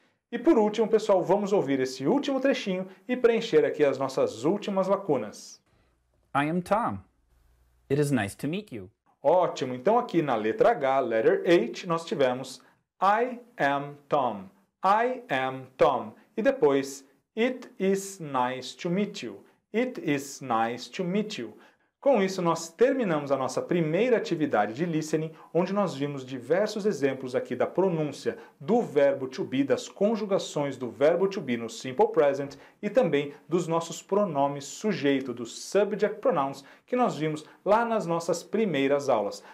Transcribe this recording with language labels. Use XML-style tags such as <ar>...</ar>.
<pt>E por último, pessoal, vamos ouvir esse último trechinho e preencher aqui as nossas últimas lacunas.</pt> <en>I am Tom. It is nice to meet you.</en> <pt>Ótimo. Então aqui na letra H, letter H, nós tivemos</pt> <en>I am Tom. I am Tom.</en> <pt>E depois,</pt> <en>it is nice to meet you. It is nice to meet you.</en> <pt>Com isso, nós terminamos a nossa primeira atividade de listening, onde nós vimos diversos exemplos aqui da pronúncia do verbo to be, das conjugações do verbo to be no simple present e também dos nossos pronomes sujeito, dos subject pronouns, que nós vimos lá nas nossas primeiras aulas.</pt>